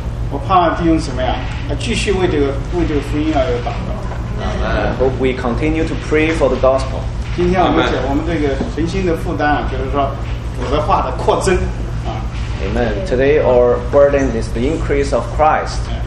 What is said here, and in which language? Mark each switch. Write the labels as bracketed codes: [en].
[zh] 我盼望弟兄姊妹继续为这个福音而祷告。 [en] I hope we continue to pray for the gospel. [zh] 今天我们讲我们这个神心的负担就是说主的话的扩增 [en] Amen. Today our burden is the increase of Christ.